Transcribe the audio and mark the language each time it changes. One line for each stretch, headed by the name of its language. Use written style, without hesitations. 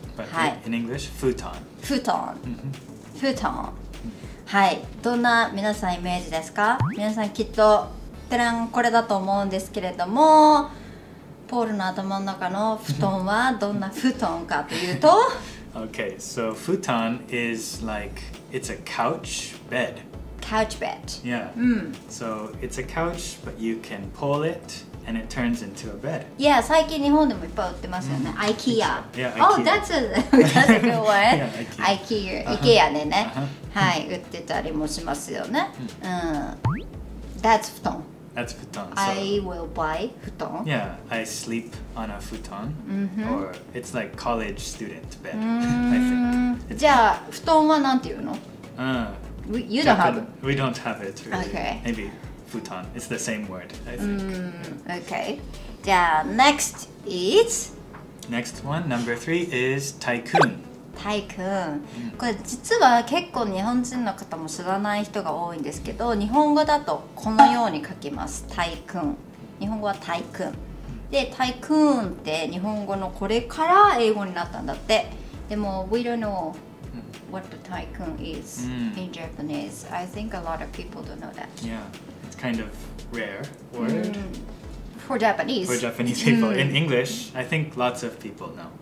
Japanese: は
English: い。In English, futon. Futon. Futon. はい。
Japanese: どんな皆さんイメージですか?皆さんきっと、てらんこれだと思うんですけれども、ポールの頭の中の布団はどんな布団かというと
English: Okay, so futon is like, it's a couch bed. Couch bed. Yeah. So it's a couch, but you can pull it and it turns into a bed.
Japanese: Yeah, 最近日本でもいっぱい売ってますよね。
English: IKEA. Yeah, IKEA. Oh, that's a good one. Yeah, IKEA.
Japanese: IKEA でね。はい、売ってたりもしますよね。
English: That's 布団。 That's futon. So, I will buy futon. Yeah, I sleep on a futon. Or it's like college student bed, I think.
Japanese: じゃあ、布団はなんていうの?
English: You don't have it. We don't have it, really. Okay. Maybe futon. It's the same word, I think. Okay. じゃあ、next is? Next one, number three, is tycoon.
Japanese: タイクーン。これ実は結構日本人の方も知らない人が多いんですけど、日本語だとこのように書きます。タイクーン。日本語はタイクーン。で、タイクーンって日本語のこれから英語になったんだって。
English: でも、we don't know what the tycoon is in Japanese. I think a lot of people don't know that. Yeah, it's kind of rare word. For Japanese. For Japanese people. In English, I think lots of people know.